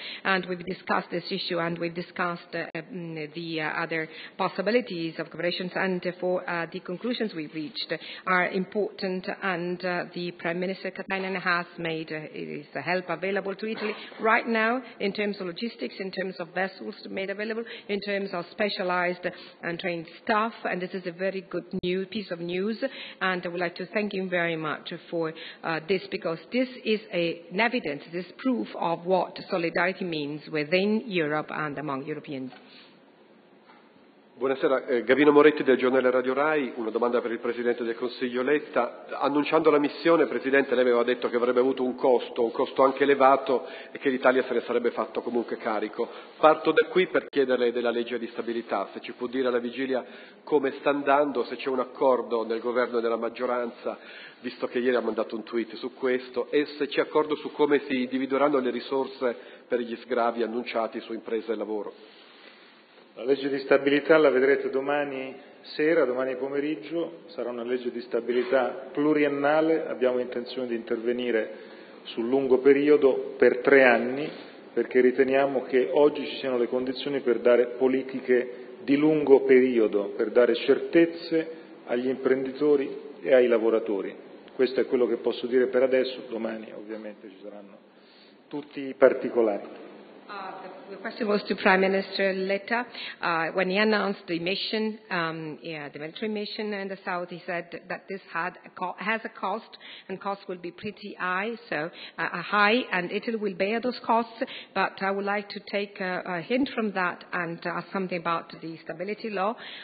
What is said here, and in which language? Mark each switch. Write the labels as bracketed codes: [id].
[en] And we've discussed this issue and we've discussed other possibilities of cooperation and for the conclusions we've reached are important and the Prime Minister Katainen has made his help available to Italy right now in terms of logistics, in terms of vessels made available, in terms of specialised and trained staff, and this is a very good piece of news and I would like to thank him very much for this because this is an evidence, this proof of what solidarity means within Europe and among Europeans. [it] Buonasera, Gavino Moretti del giornale Radio Rai, una domanda per il Presidente del Consiglio Letta. Annunciando la missione, Presidente, lei aveva detto che avrebbe avuto un costo anche elevato e che l'Italia se ne sarebbe fatto comunque carico. Parto da qui per chiederle della legge di stabilità, se ci può dire alla vigilia come sta andando, se c'è un accordo nel governo e nella maggioranza, visto che ieri ha mandato un tweet su questo, e se c'è accordo su come si divideranno le risorse per gli sgravi annunciati su imprese e lavoro. La legge di stabilità la vedrete domani pomeriggio, sarà una legge di stabilità pluriennale, abbiamo intenzione di intervenire sul lungo periodo per 3 anni perché riteniamo che oggi ci siano le condizioni per dare politiche di lungo periodo, per dare certezze agli imprenditori e ai lavoratori. Questo è quello che posso dire per adesso, domani ovviamente ci saranno tutti i particolari. [en] The question was to Prime Minister Letta. When he announced the mission, the military mission in the south, he said that this has a cost, and cost will be pretty high, so high, and Italy will bear those costs. But I would like to take a hint from that and ask something about the stability law.